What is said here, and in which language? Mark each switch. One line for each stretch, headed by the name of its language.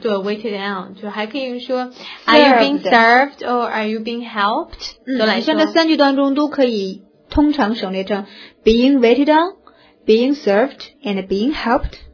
English: 对 ，waited on，
Chinese: 就还可以说
English: Are you being served or are you being helped？
Chinese: 嗯，你像这三句当中都可以。通常省略成
English: being waited on, being served, and being helped.